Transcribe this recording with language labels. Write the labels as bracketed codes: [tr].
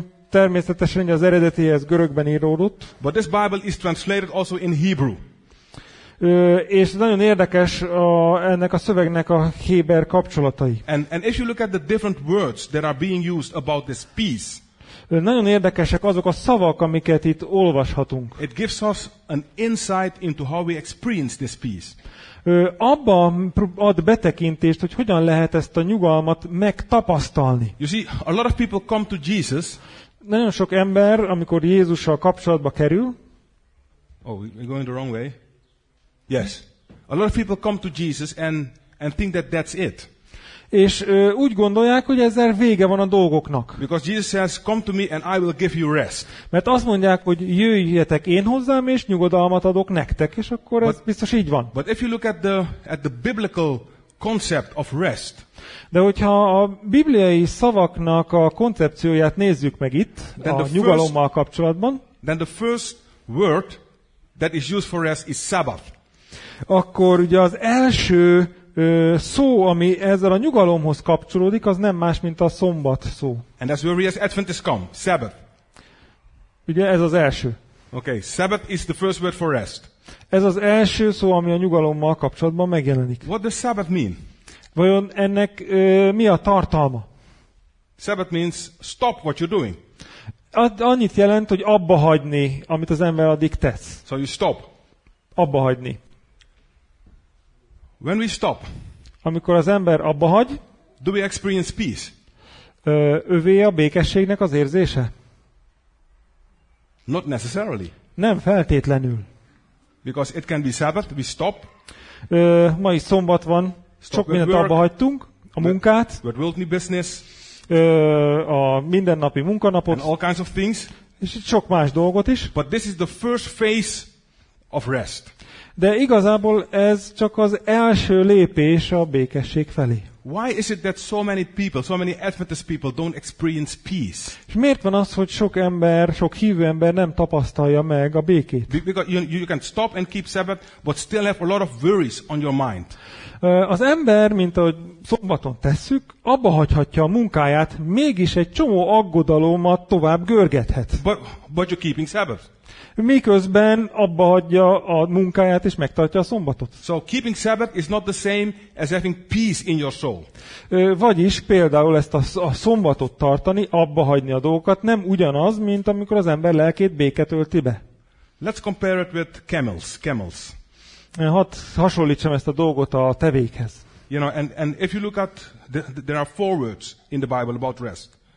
[hu] Természetesen az eredetihez görögben íródott. [en] But this Bible is translated also in Hebrew. [hu] És nagyon érdekes ennek a szövegnek a héber kapcsolatai. [en] And if you look at the different words that are being used about this peace. [hu] Nagyon érdekesek azok a szavak, amiket itt olvashatunk. [en] It gives us an insight into how we experience this peace. [hu] Abba ad betekintést, hogy hogyan lehet ezt a nyugalmat megtapasztalni. [en] You see, a lot of people come to Jesus. [hu] Nagyon sok ember, amikor Jézussal kapcsolatba kerül. [en] Oh, we're going the wrong way. Yes. A lot of people come to Jesus and think that that's it. [hu] És úgy gondolják, hogy ezzel vége van a dolgoknak. [en] Because Jesus says, come to me and I will give you rest. [hu] Mert azt mondják, hogy jöjjetek én hozzám és nyugodalmat adok nektek, és akkor ez biztos így van. [en] But if you look at the biblical concept of rest. [hu] De hogyha a bibliai szavaknak a koncepcióját nézzük meg itt, a nyugalommal kapcsolatban, [en] then the first word that is used for rest is Sabbath. [hu] Akkor ugye az első szó, ami ezzel a nyugalomhoz kapcsolódik, az nem más, mint a szombat szó. [en] And that's where we as Adventists come, Sabbath. [hu] Ugye ez az első. [en] Okay, Sabbath is the first word for rest. [hu] Ez az első szó, ami a nyugalommal kapcsolatban megjelenik. [en] What does Sabbath mean? [hu] Vajon ennek mi a tartalma? [en] Sabbath means stop what you're doing. [hu] Annyit jelent, hogy abba hagyni, amit az ember addig tesz. [en] So you stop. [hu] Abba hagyni. [en] When we stop, [hu] amikor az ember abba hagy, [en] do we experience peace? [hu] Övé a békességnek az érzése? [en] Not necessarily. [hu] Nem feltétlenül. [en] Because it can be Sabbath, we stop. [hu] Ma is szombat van, stop sok mindent abba hagytunk, a munkát, [en] worldly business, [hu] a mindennapi munkanapot, [en] and all kinds of things, [hu] és sok más dolgot is. [en] But this is the first phase of rest. [hu] De igazából ez csak az első lépés a békesség felé. [en] Why is it that so many people, so many Adventist people don't experience peace? [hu] És miért van az, hogy sok ember, sok hívő ember nem tapasztalja meg a békét? [en] Because you can stop and keep Sabbath, but still have a lot of worries on your mind. [hu] Az ember, mint ahogy szombaton tesszük, abba hagyhatja a munkáját, mégis egy csomó aggodalommal tovább görgethet. [en] But you're keeping Sabbath. [hu] Miközben abba hagyja a munkáját és megtartja a szombatot. [en] So keeping Sabbath is not the same as having peace in your soul. [hu] Vagyis például ezt a szombatot tartani, abba hagyni a dolgokat nem ugyanaz, mint amikor az ember lelkét béke tölti be. [en] Let's compare it with camels. [hu] Hadd hasonlítsam ezt a dolgot a tevékhez. [en] You know, and if you look at there are four words in the Bible about rest.